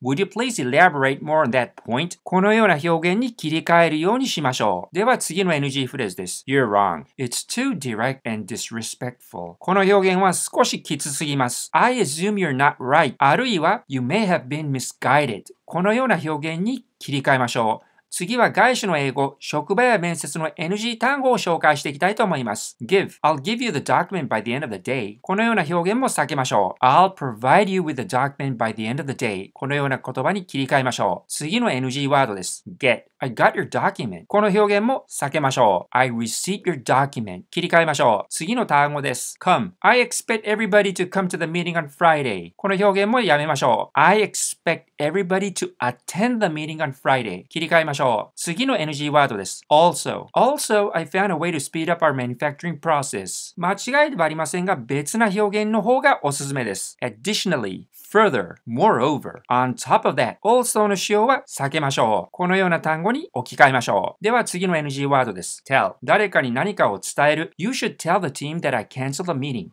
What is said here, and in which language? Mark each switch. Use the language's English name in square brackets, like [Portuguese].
[English] Would you please elaborate more on that point? [Japanese] このような表現に切り替えるようにしましょう。では次の NG フレーズです。 [English] You're wrong. It's too direct and disrespectful. [Japanese] この表現は少しきつすぎます。 [English] I assume you're not right. あるいは You may have been misguided. [Japanese] このような表現に切り替えましょう。次は外資の英語、職場や面接の NG 単語を紹介していきたいと思います。 [English] Give. I'll give you the document by the end of the day. [Japanese] このような表現も避けましょう。 [English] I'll provide you with the document by the end of the day. [Japanese] このような言葉に切り替えましょう。次の NG ワードです。Get. [English] I got your document. [Japanese] この表現も避けましょう。 [English] I received your document. [Japanese] 切り替えましょう。次の単語です。 [English] Come. I expect everybody to come to the meeting on Friday. [Japanese] この表現もやめましょう。 [English] I expect everybody to attend the meeting on Friday. [Japanese] 切り替えましょう。次の NG ワードです。 [English] Also. Also, I found a way to speed up our manufacturing process. [Japanese] 間違いではありませんが、別な表現の方がおすすめです。 [English] Additionally. Further, moreover, on top of that, also [Japanese] の使用は避けましょう。このような単語に置き換えましょう。では次の NG ワードです。Tell. 誰かに何かを伝える。 [English] You should tell the team that I canceled the meeting.